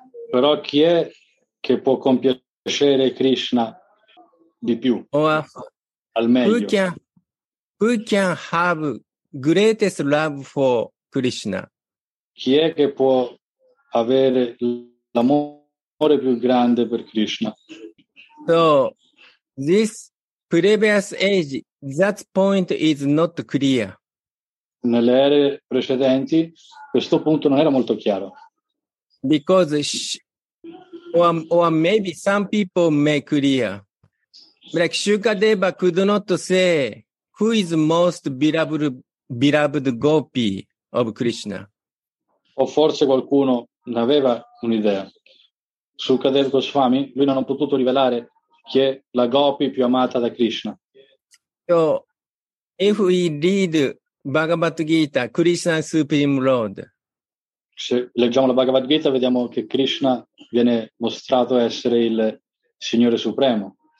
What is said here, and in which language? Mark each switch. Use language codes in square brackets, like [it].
[it] Però chi è che può compiacere Krishna di più? [en] Or, [it] al meglio. [en] Who can have greatest love for Krishna? [it] Chi è che può avere l'amore più grande per Krishna. [en] So, this previous age, that point is not clear. [it] Nelle ere precedenti, questo punto non era molto chiaro. [en] Because, or maybe some people may clear. Like Shukadeva could not say who is most beloved gopi of Krishna. [it] O forse qualcuno aveva un'idea. Sukadev Goswami, lui non ha potuto rivelare chi è la gopi più amata da Krishna. [en] So, if we read Bhagavad Gita, Krishna Supreme Lord. [it] Se leggiamo la Bhagavad Gita, vediamo che Krishna viene mostrato essere il Signore Supremo.